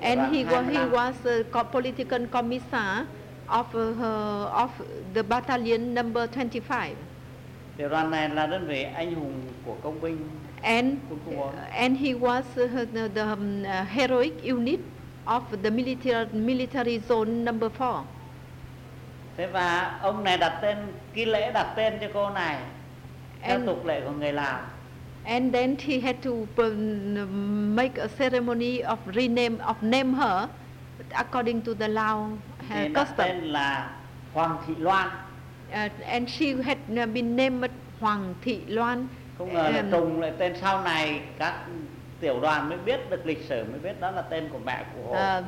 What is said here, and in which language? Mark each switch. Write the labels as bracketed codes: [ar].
[en] And he was a political commissar of the battalion number 25. [vi] Tiểu đoàn này là đơn vị anh hùng của công binh. [en] And he was the heroic unit of the military zone number 4. [vi] Thế và ông này đặt tên, cái lễ đặt tên cho cô này theo tục lệ của người Lào. [en] And then he had to make a ceremony of name her according to the Lao custom. [vi] Tên là Hoàng Thị Loan. [en] And she had been named Hoàng Thị Loan. [vi] Không ngờ là trùng lại tên sau này các tiểu đoàn mới biết được lịch sử mới biết đó là tên của mẹ của Hồ.